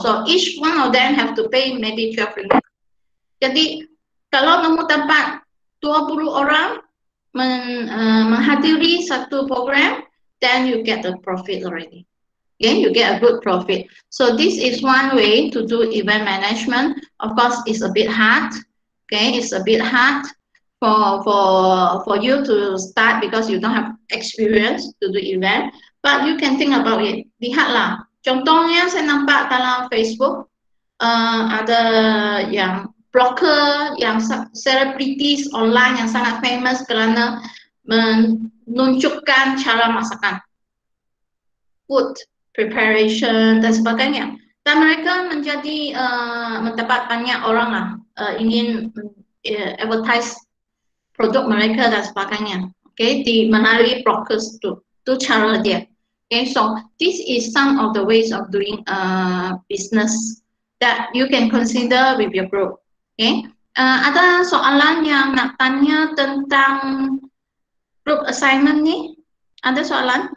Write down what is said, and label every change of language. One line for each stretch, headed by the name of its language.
English: So each one of them have to pay maybe RM12.
Malay: Jadi kalau kamu dapat 20 orang menghadiri satu program,
English: then you get the profit already. Then you get a good profit. So this is one way to do event management. Of course, it's a bit hard. Okay, it's a bit hard for you to start because you don't have experience to do event. But you can think about it.
Malay: Lihatlah. Contohnya saya nampak dalam Facebook, ada yang blogger yang celebrities online yang sangat famous kerana menunjukkan cara masakan, food preparation dan sebagainya. Dan mereka menjadi mendapat banyak orang lah ingin advertise produk mereka dan sebagainya. Okay, di melalui blogger tu cara dia.
English: Okay, so this is some of the ways of doing business that you can consider with your group.
Malay: Okay, ada soalan yang nak tanya tentang group assignment ni? Ada soalan?